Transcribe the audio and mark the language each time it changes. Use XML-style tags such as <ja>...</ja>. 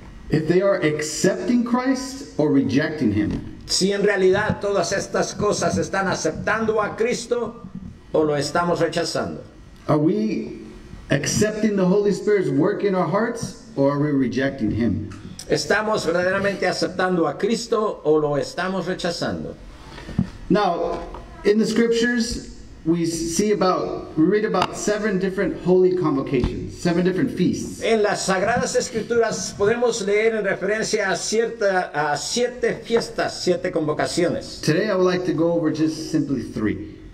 <en>If they are accepting Christ or rejecting Him.</en> <es>Si en realidad todas estas cosas están aceptando a Cristo o lo estamos rechazando.</es> <en>Are we accepting the Holy Spirit's work in our hearts or are we rejecting Him?</en> <es>¿Estamos verdaderamente aceptando a Cristo o lo estamos rechazando?</es> <en>Now, in the scriptures, we read about seven different holy convocations, seven different feasts.</en> <es>En las Sagradas Escrituras podemos leer en referencia a siete fiestas, siete convocaciones.</es> <en>Today I would like to go over just simply three.</en>